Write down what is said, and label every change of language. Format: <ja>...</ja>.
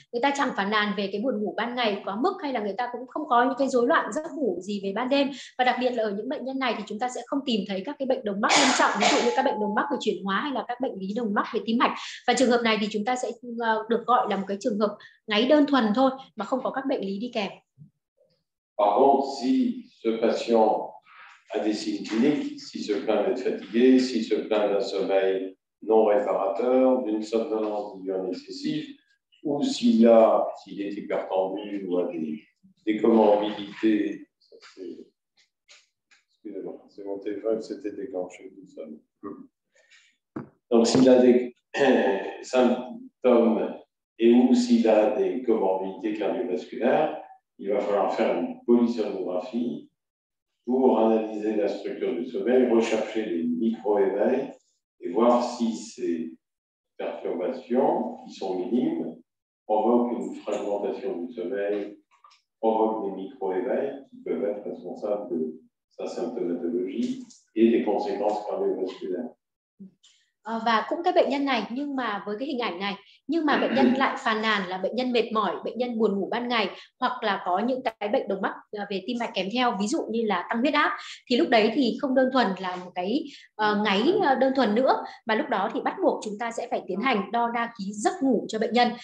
<vi>Người ta chẳng phàn nàn về cái buồn ngủ ban ngày quá mức hay là người ta cũng không có những cái rối loạn giấc ngủ gì về ban đêm. Và đặc biệt là ở những bệnh nhân này thì chúng ta sẽ không tìm thấy các cái bệnh đồng mắc nghiêm trọng, ví dụ như các bệnh đồng mắc về chuyển hóa hay là các bệnh lý đồng mắc về tim mạch. Và trường hợp này thì chúng ta sẽ được gọi là một cái trường hợp ngáy đơn thuần thôi mà không có các bệnh lý đi kèm.</vi> <fr>Par contre, si ce patient a des signes cliniques, s'il se plaint d'être fatigué, s'il se plaint d'un sommeil non réparateur, d'une somnolence diurne excessive, ou s'il est hypertendu ou a des comorbidités. Ça, c'est... Excusez-moi, c'est mon téléphone, c'était déclenché. Donc s'il a des symptômes et ou s'il a des comorbidités cardiovasculaires, il va falloir faire une polysomnographie pour analyser la structure du sommeil, rechercher les micro-éveils et voir si ces perturbations, qui sont minimes, provoquent une fragmentation du sommeil, provoquent des micro-éveils qui peuvent être responsables de sa symptomatologie et des conséquences cardiovasculaires.</fr> <vi>Và cũng cái bệnh nhân này, nhưng mà với cái hình ảnh này, nhưng mà bệnh nhân lại phàn nàn là bệnh nhân mệt mỏi, bệnh nhân buồn ngủ ban ngày, hoặc là có những cái bệnh đồng mắc về tim mạch kèm theo, ví dụ như là tăng huyết áp, thì lúc đấy thì không đơn thuần là một cái ngáy đơn thuần nữa, mà lúc đó thì bắt buộc chúng ta sẽ phải tiến hành đo đa ký giấc ngủ cho bệnh nhân.</vi>